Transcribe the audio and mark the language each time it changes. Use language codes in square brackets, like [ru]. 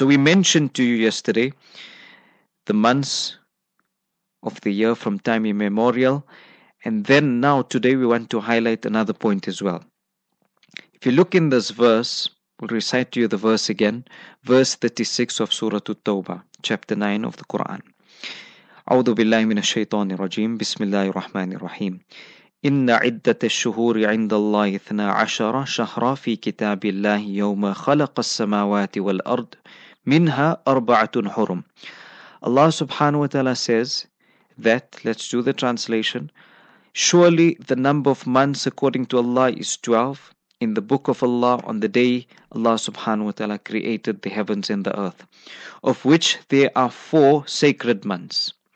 [en] So we mentioned to you yesterday the months of the year from time immemorial. And then now today we want to highlight another point as well. If you look in this verse, we'll recite to you the verse again. Verse 36 of Surah At-Tawbah, chapter 9 of the Quran. [ar] أعوذ بالله من الشيطان الرجيم بسم الله الرحمن الرحيم إن عدة الشهور عند الله 12 شهرا في كتاب الله يوم خلق السماوات والأرض منها أربعة حرم. [en] Allah subhanahu wa ta'ala says that, let's do the translation, surely the number of months according to Allah is 12 in the book of Allah on the day Allah subhanahu wa ta'ala created the heavens and the earth, of which there are four sacred months.